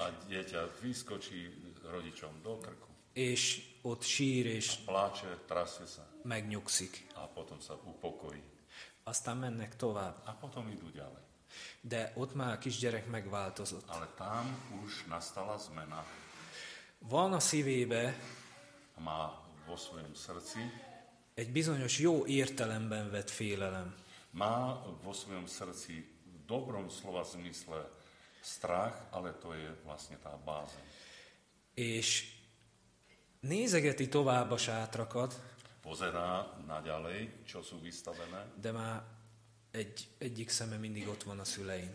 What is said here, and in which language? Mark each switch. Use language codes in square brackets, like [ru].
[sk] A dieťa vyskočí rodičom do krku. [hu] És ott sír, és [sk] pláče, trasie sa. [hu] Megnyugszik. [sk] A potom sa upokojí. [hu] Aztán mennek tovább. [sk] A potom idú ďalej. [hu] De ott már a kisgyerek megváltozott. [sk] Ale tam už nastala zmena. [hu] Van a szívébe. [sk] Má vo svojom srdci. [hu] Egy bizonyos jó értelemben vett félelem. [sk] Má vo svojom srdci v dobrom slova zmysle strach, ale to je vlastne tá báze. [hu] És nézegeti tovább a sátrakat. [sk] Pozerá naďalej, čo sú vystavené. [hu] De má egyik szeme mindig ott van a szülein.